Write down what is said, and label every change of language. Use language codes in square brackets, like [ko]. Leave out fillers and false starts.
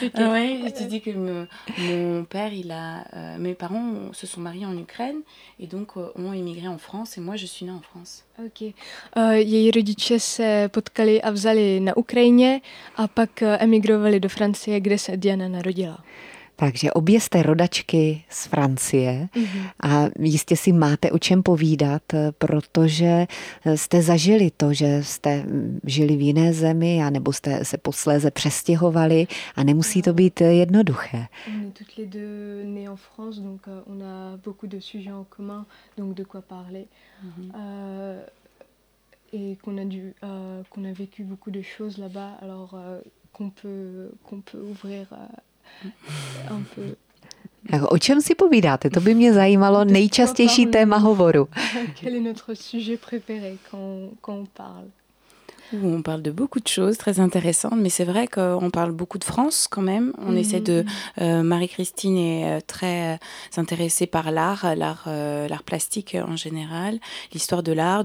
[fr] Oui, je dis que mon père il a mes parents se sont mariés en Ukraine et donc ont émigré en France et moi je suis née en France. OK. [cs] Její rodiče se potkali a vzali na Ukrajině a pak emigrovali do Francie, kde se Diana narodila. Takže obě jste rodačky z Francie a jistě si máte o čem povídat, protože jste zažili to, že jste žili v jiné zemi a nebo jste se posléze přestěhovali a nemusí to být jednoduché. [fr] On est toutes les deux nées en France, donc on a beaucoup de sujets en commun, donc de quoi parler. Et qu'on a vécu beaucoup de choses là-bas, alors qu'on peut ouvrir [cs] Tak o čem si povídáte? To by mě zajímalo, nejčastější téma hovoru. [fr] Quel est notre sujet préféré quand on parle? On parle de beaucoup de choses très intéressantes, mais c'est vrai qu'on parle beaucoup de France quand même. On essaie de Marie-Christine est très intéressée par l'art plastique en général, l'histoire de l'art.